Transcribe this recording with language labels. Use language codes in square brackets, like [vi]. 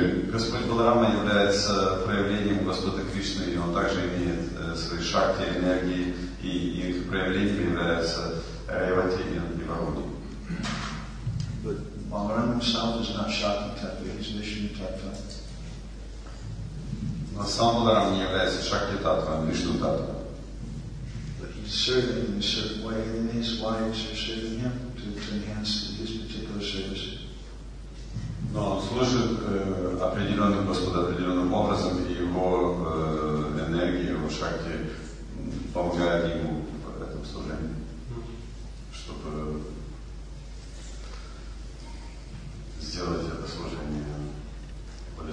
[ru] Господь Баларама является проявлением Господа Кришны, и он также имеет свои шакти, энергии, и их проявлением является Ревати и Бхагавати. [en] But Balaram himself is not Shakti Tattva, he's Vishnu Tattva. [ru] Но сам Баларам не является Шакти Таттва, Вишну Таттва. [en] But he's serving in a certain way, and his wives are serving him to enhance his particular service. [ru] Но он служит определенным Господом определенным образом, и его энергия, его шакти помогает ему в этом служении, чтобы сделать это служение более